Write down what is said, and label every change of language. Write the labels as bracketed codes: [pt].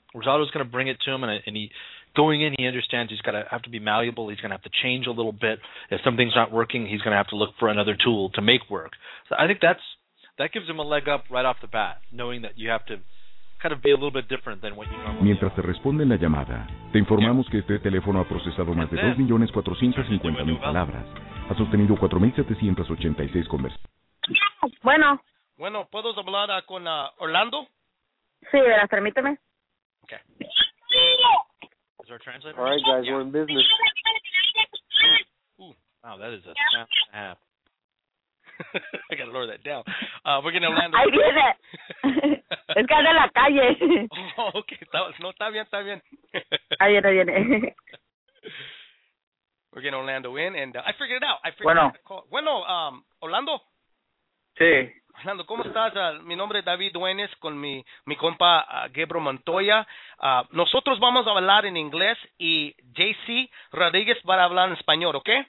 [en] Rosado's going to bring it to him, and he going in, he understands he's got to have to be malleable. He's going to have to change a little bit. If something's not working, he's going to have to look for another tool to make work. So I think that gives him a leg up right off the bat, knowing that you have to kind of be a little bit different than what you normally [es] Mientras te responden la llamada, te informamos que este teléfono ha procesado más de 2,450,000 palabras. Ha sostenido 4,786 conversaciones. Bueno, ¿puedo hablar con Orlando? Sí, verás, permíteme. [en] Okay. Is our translator? All right, guys, we're in business. Ooh, wow, that is a snap and a half. I got to lower that down. We're going to land. I did it. [es] Es que de la calle. Oh, okay. No, está bien, está bien. Ahí viene, ahí viene. [en] We're getting Orlando in, and I figured it out. I figured out the call. [es] Bueno, Orlando. Sí. Orlando, ¿cómo estás? Mi nombre es David Duenes con mi compa Gabriel Montoya. Nosotros vamos a hablar en inglés y JC Rodríguez va a hablar en español, ¿ok?